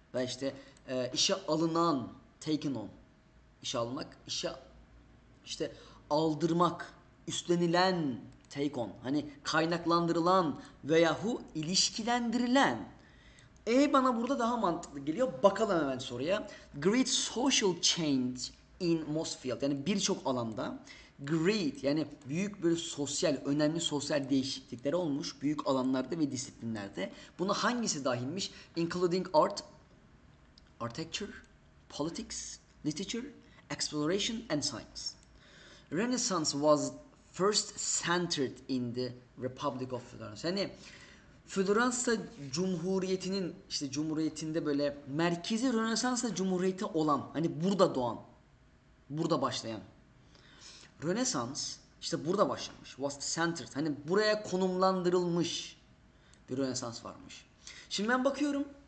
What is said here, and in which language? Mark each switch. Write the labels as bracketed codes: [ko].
[tr] Ve işte işe alınan, [en] taken on, [tr] işe almak, işe işte aldırmak, üstlenilen, [en] take on, [tr] hani kaynaklandırılan veyahu ilişkilendirilen. Bana burada daha mantıklı geliyor. Bakalım hemen soruya. [en] Great social change in most field, [tr] yani birçok alanda. Great, yani büyük bir sosyal, önemli sosyal değişiklikler olmuş büyük alanlarda ve disiplinlerde. Buna hangisi dahilmiş? [en] Including art, architecture, politics, literature, exploration and science. Renaissance was first centered in the Republic of Florence. [tr] Yani Floransa Cumhuriyeti'nin işte cumhuriyetinde böyle merkezi Rönesans Cumhuriyeti olan hani burada doğan, burada başlayan. Rönesans işte burada başlamış. [en] Was centered. [tr] Hani buraya konumlandırılmış bir Rönesans varmış. Şimdi ben bakıyorum.